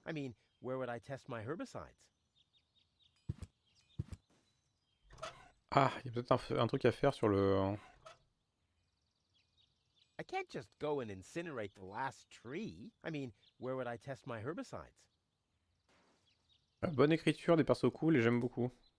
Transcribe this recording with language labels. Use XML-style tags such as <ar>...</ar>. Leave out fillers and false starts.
<en>I mean, where would I test my herbicides?</en> <fr>Ah, il y a peut-être un truc à faire sur le...</fr> <en>I can't just go and incinerate the last tree. I mean, where would I test my herbicides?</en> <fr>Bonne écriture, des persos cool et j'aime beaucoup.</fr>